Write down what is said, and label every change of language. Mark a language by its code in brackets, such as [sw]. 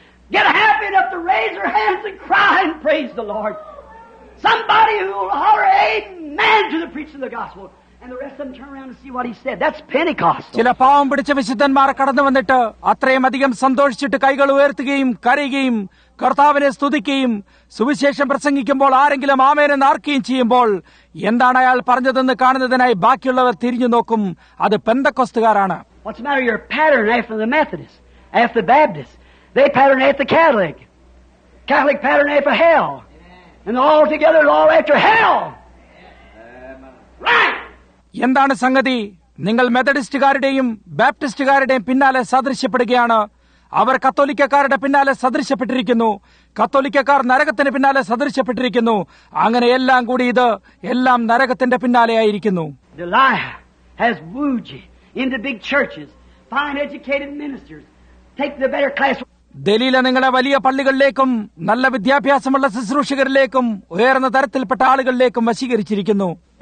[en] Get happy enough to raise your hands and cry and praise the Lord. Somebody who will holler amen to the preaching of the gospel. And the rest of them turn around and see what he said. That's Pentecostal. [ml] ചില പാവം പിടിച്ച വിശുദ്ധന്മാർ കടന്നു വന്നിട്ട് അത്രയും അധികം സന്തോഷിച്ചിട്ട് കൈകൾ ഉയർത്തുകയും കരയുകയും കർത്താവിനെ സ്തുതിക്കുകയും സുവിശേഷം പ്രസംഗിക്കുമ്പോൾ ആരെങ്കിലും ആമേനെന്ന് ആർക്കുകയും ചെയ്യുമ്പോൾ എന്താണ് അയാൾ പറഞ്ഞതെന്ന് കാണുന്നതിനായി ബാക്കിയുള്ളവർ തിരിഞ്ഞു നോക്കും. അത് പെന്തക്കോസ്തുകാരാണ്. [en] What's the matter? You're patterned after the Methodist, after the Baptist. They pattern after the Catholic. Catholic pattern after hell. And all together all after hell. Right. [ml] എന്താണ് സംഗതി? നിങ്ങൾ മെത്തഡിസ്റ്റുകാരുടെയും ബാപ്റ്റിസ്റ്റുകാരുടെയും പിന്നാലെ സദൃശ്യപ്പെടുകയാണ്. അവർ കത്തോലിക്കക്കാരുടെ പിന്നാലെ സദൃശ്യപ്പെട്ടിരിക്കുന്നു. കത്തോലിക്കക്കാർ നരകത്തിന് പിന്നാലെ സദൃശ്യപ്പെട്ടിരിക്കുന്നു. അങ്ങനെ എല്ലാം കൂടി ഇത് എല്ലാം നരകത്തിന്റെ പിന്നാലെ ആയിരിക്കുന്നു. [en] The lie has wooed in the big churches. Fine educated ministers. Take the better class. [ml] Delilah നിങ്ങളുടെ വലിയ പള്ളികളിലേക്കും നല്ല വിദ്യാഭ്യാസമുള്ള ശുശ്രൂഷകരിലേക്കും ഉയർന്ന തരത്തിൽപ്പെട്ട ആളുകളിലേക്കും വശീകരിച്ചിരിക്കുന്നു.